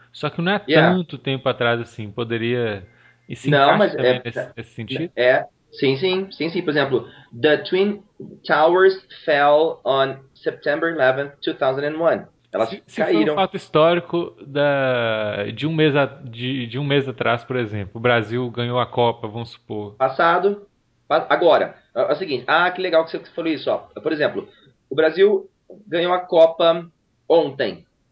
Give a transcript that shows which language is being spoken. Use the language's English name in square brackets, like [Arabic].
[Portuguese] Só que não é tanto tempo atrás assim. Poderia. E se Não, mas encaixa também nesse sentido? Sim. Por exemplo, [English] the Twin Towers fell on September 11th, 2001. [Portuguese] Elas Se for um fato histórico de um mês atrás, por exemplo, o Brasil ganhou a Copa, vamos supor. Passado. Agora, é o seguinte. Ah, que legal que você falou isso. Ó. Por exemplo, o Brasil ganhou a Copa ontem.